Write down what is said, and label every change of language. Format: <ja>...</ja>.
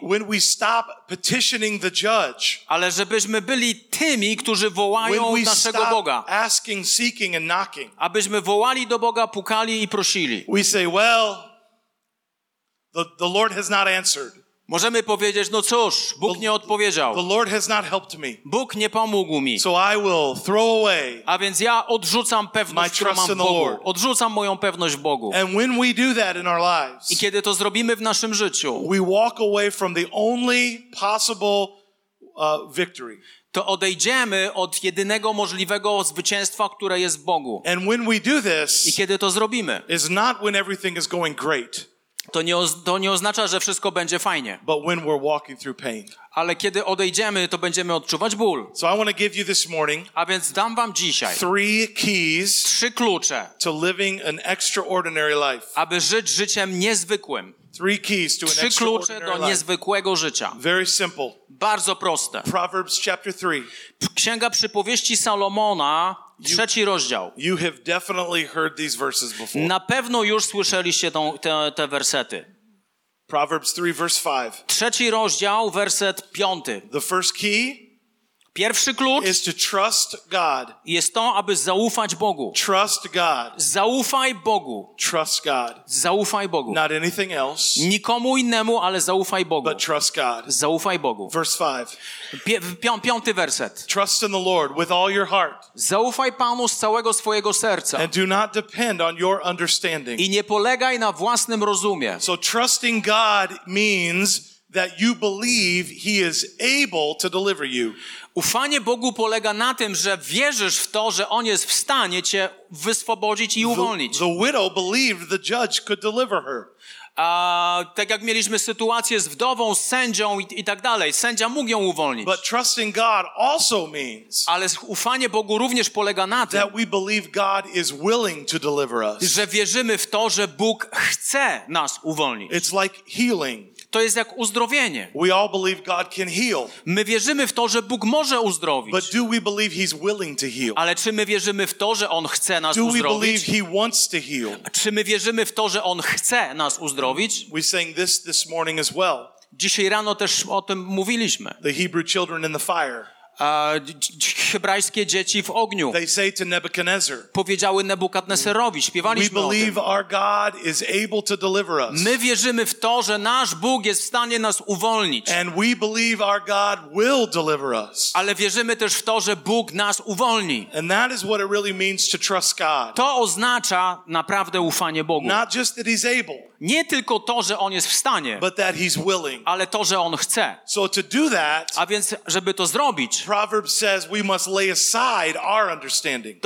<en>When we stop petitioning the judge,</en> <pl>ale żebyśmy byli tymi, którzy wołają</pl> <en>when we</en> <pl>naszego</pl> <en>stop</en> <pl>Boga.</pl> <en>Asking, seeking and knocking,</en> <pl>abyśmy wołali do Boga, pukali i prosili.</pl> <en>We say, well, the Lord has not answered.</en> <pl>Możemy powiedzieć, no cóż, Bóg nie odpowiedział.</pl> <en>The Lord has not helped me.</en> <pl>Bóg nie pomógł mi.</pl> <en>So I will throw away.</en> <pl>A więc ja odrzucam pewność, którą mam w Bogu. Odrzucam moją pewność w Bogu.</pl> <en>And when we do that in our lives,</en> <pl>i kiedy to zrobimy w naszym życiu,</pl> <en>we walk away from the only possible victory.</en> <pl>To odejdziemy od jedynego możliwego zwycięstwa, które jest w Bogu.</pl> <en>And when we do this,</en> <pl>i kiedy to zrobimy,</pl> <en>is not when everything is going great.</en> <pl>To nie oznacza, że wszystko będzie fajnie.</pl> <en>But when we're walking through pain.</en> <pl>Ale kiedy odejdziemy, to będziemy odczuwać ból.</pl> <en>So I want to give you this morning,</en> <pl>a więc dam wam dzisiaj</pl> <en>three keys,</en> <pl>trzy klucze,</pl> <en>to living an extraordinary life.</en> <pl>Aby żyć życiem niezwykłym.</pl> <en>Three keys to an</en> <pl>trzy klucze do niezwykłego życia.</pl> <en>Very simple.</en> <pl>Bardzo proste.</pl> <en>Proverbs chapter 3.</en> <pl>Księga Przypowieści Salomona, trzeci rozdział.</pl> <en>You have definitely heard these verses before.</en> <pl>Na pewno już słyszeliście te wersety.</pl> <en>Proverbs 3, verse 5.</en> <pl>Trzeci rozdział, werset piąty.</pl> <en>The first key,</en> <pl>pierwszy klucz,</pl> <en>is to trust God.</en> <pl>Jest to, aby zaufać Bogu.</pl> <en>Trust God.</en> <pl>Zaufaj Bogu.</pl> <en>Trust God.</en> <pl>Zaufaj Bogu.</pl> <en>Not anything else.</en> <pl>Nikomu innemu, ale zaufaj Bogu.</pl> <en>But trust God.</en> <pl>Zaufaj Bogu.</pl> <en>Verse 5.</en> <pl>Piąty werset.</pl> <en>Trust in the Lord with all your heart.</en> <pl>Zaufaj Panu z całego swojego serca.</pl> <en>And do not depend on your understanding.</en> <pl>I nie polegaj na własnym rozumie.</pl> <en>So trusting God means that you believe he is able to deliver you.</en> <pl>Ufanie Bogu polega na tym, że wierzysz w to, że on jest w stanie cię wyswobodzić i uwolnić.</pl> <en>The widow believed the judge could deliver her.</en> <pl>Tak jak mieliśmy sytuację z wdową, z sędzią i tak dalej. Sędzia mógł ją uwolnić.</pl> <en>But trusting God also means,</en> <pl>ale ufanie Bogu również polega na tym,</pl> <en>that we believe God is willing to deliver us.</en> <pl>Że wierzymy w to, że Bóg chce nas uwolnić.</pl> <en>It's like healing.</en> <pl>To jest jak uzdrowienie.</pl> <en>We all believe God can heal.</en> <pl>My wierzymy w to, że Bóg może uzdrowić.</pl> <en>But do we believe he's willing to heal?</en> <pl>Ale czy my wierzymy w to, że On chce nas do uzdrowić?</pl> <en>We believe he wants to heal?</en> <pl>Czy my wierzymy w to, że On chce nas uzdrowić?</pl> <en>We sang this morning as well.</en> <pl>Dzisiaj rano też o tym mówiliśmy.</pl> <en>The Hebrew children in the fire.</en> <pl>Hebrajskie dzieci w ogniu.</pl> <en>They say to Nebuchadnezzar.</en> <pl>Powiedziały Nebukadneserowi, śpiewaliśmy o tym.</pl> <en>We believe our God is able to deliver us.</en> <pl>My wierzymy w to, że nasz Bóg jest w stanie nas uwolnić.</pl> <en>And we believe our God will deliver us.</en> <pl>Ale wierzymy też w to, że Bóg nas uwolni.</pl> <en>And that is what it really means to trust God.</en> <pl>To oznacza naprawdę ufanie Bogu.</pl> <en>Not just that he's able.</en> <pl>Nie tylko to, że On jest w stanie,</pl> <en>but that he's willing.</en> <pl>Ale to, że On chce.</pl> <en>So to do that,</en> <pl>a więc, żeby to zrobić,</pl> <en>Proverbs says we must lay aside our understanding.</en>